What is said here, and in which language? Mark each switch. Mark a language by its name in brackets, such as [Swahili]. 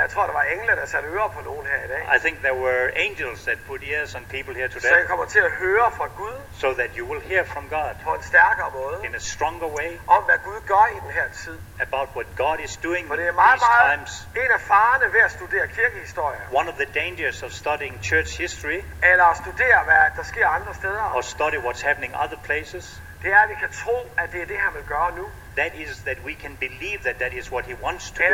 [Danish] Jeg tror, der var engle, der satte ører på nogen her i dag. [English] I think there were angels that put ears on people here today. [Danish] Så jeg kommer til at høre fra Gud. [English] So that you will hear from God. [Danish] På en stærkere måde. [English] In a stronger way. [Danish] Om hvad Gud gør i den her tid. [English] About what God is doing these times. [Danish] For det er meget, meget en af farerne ved at studere kirkehistorie. [English] One of the dangers of studying church history. [Danish] Eller at studere, hvad der sker andre steder. [English] Or study what's happening other places. [Danish] Det er, at vi kan tro, at det er det, han vil gøre nu. [English] That is that we can believe that that is what he wants to